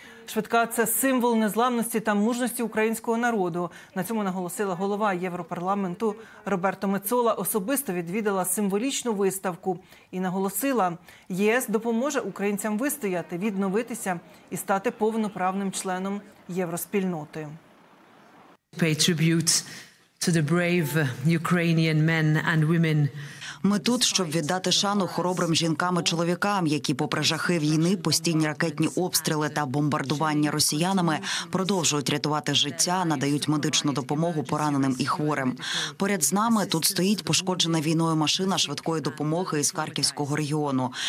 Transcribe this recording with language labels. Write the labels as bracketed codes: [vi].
[uk] Швидка – це символ незламності та мужності українського народу. На цьому наголосила голова Європарламенту Роберто Мецола. Особисто відвідала символічну виставку і наголосила, ЄС допоможе українцям вистояти, відновитися і стати повноправним членом євроспільноти. [en] Pay tribute to the brave Ukrainian men and women. [uk] Ми тут, щоб віддати шану хоробрим жінкам і чоловікам, які попри жахи війни, постійні ракетні обстріли та бомбардування росіянами, продовжують рятувати життя, надають медичну допомогу пораненим і хворим. Поряд з нами тут стоїть пошкоджена війною машина швидкої допомоги із Харківського регіону.